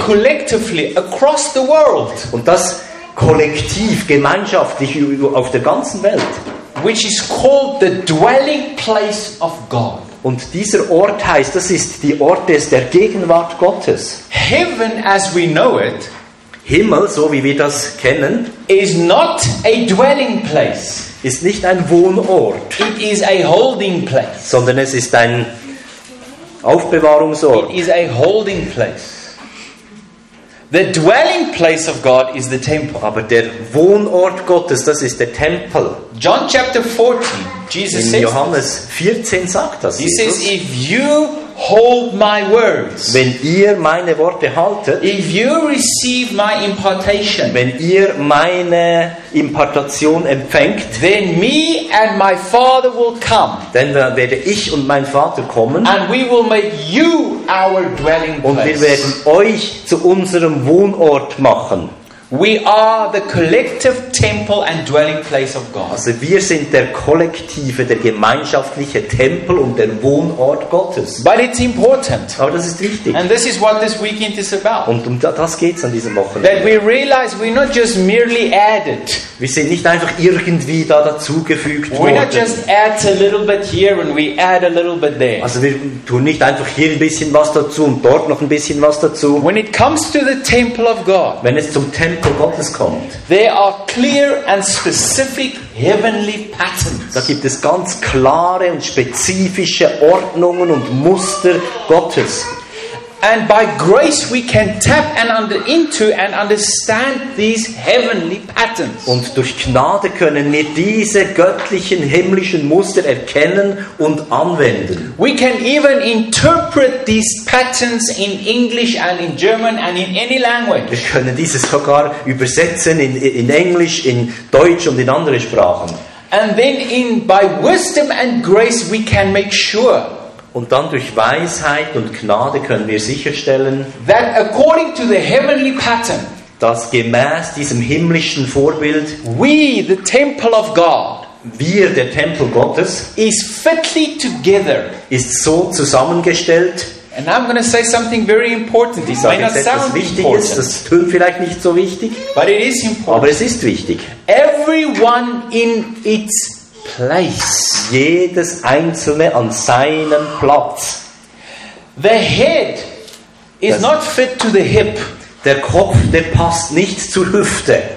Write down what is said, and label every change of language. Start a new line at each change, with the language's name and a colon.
English: collectively across the world,
German: und das kollektiv, gemeinschaftlich auf der ganzen Welt,
English: which is called the dwelling place of God.
German: Und dieser Ort heißt, das ist die Ort der Gegenwart Gottes.
English: Heaven as we know it,
German: Himmel, so wie wir das kennen,
English: is not a dwelling place.
German: Ist nicht ein Wohnort.
English: It is a holding place.
German: Sondern es ist ein Aufbewahrungsort.
English: It is a holding place. The dwelling place of God is the temple.
German: Aber der Wohnort Gottes, das ist der Tempel.
English: John chapter 14, Jesus In says.
German: Johannes 14 sagt das.
English: He Jesus. Says, if you hold my words.
German: Wenn ihr meine Worte haltet.
English: If you receive my impartation.
German: Wenn ihr meine Impartation empfängt.
English: Then me and my Father will come.
German: Dann werde ich und mein Vater kommen.
English: And we will make you our dwelling place.
German: Und wir werden euch zu unserem Wohnort machen.
English: We are the collective temple and dwelling place of God.
German: Also wir sind der kollektive, der gemeinschaftliche Tempel und der Wohnort Gottes.
English: But it's important.
German: Aber das ist wichtig.
English: And this is what this weekend is about.
German: Und um das geht's an diesem Wochenende.
English: That we realize we're not just merely added.
German: Wir sind nicht einfach irgendwie da dazugefügt worden.
English: We not just add a little bit here and we add a little bit there.
German: Also wir tun nicht einfach hier ein bisschen was dazu und dort noch ein bisschen was dazu.
English: When it comes to the temple of God.
German: Wenn es zum Tempel Charakter Gottes kommt.
English: There are clear and specific heavenly patterns.
German: Da gibt es ganz klare und spezifische Ordnungen und Muster Gottes.
English: And by grace we can tap and into and understand these heavenly patterns.
German: Und durch Gnade können wir diese göttlichen himmlischen Muster erkennen und anwenden.
English: We can even interpret these patterns in English and in German and in any language.
German: Wir können diese sogar übersetzen in Englisch, in Deutsch und in andere Sprachen.
English: And then in by wisdom and grace we can make sure.
German: Und dann durch Weisheit und Gnade können wir sicherstellen,
English: that according to the heavenly pattern,
German: dass gemäß diesem himmlischen Vorbild
English: we, the temple of God,
German: wir, der Tempel Gottes,
English: is fitly together,
German: ist so zusammengestellt.
English: And I'm going to say something very important.
German: Ich sage jetzt etwas Wichtiges, das tönt vielleicht nicht so wichtig,
English: but it is important.
German: Aber es ist wichtig.
English: Everyone in its place.
German: Jedes Einzelne an seinem Platz.
English: The head is not fit to the hip.
German: Der Kopf, der passt nicht zur Hüfte.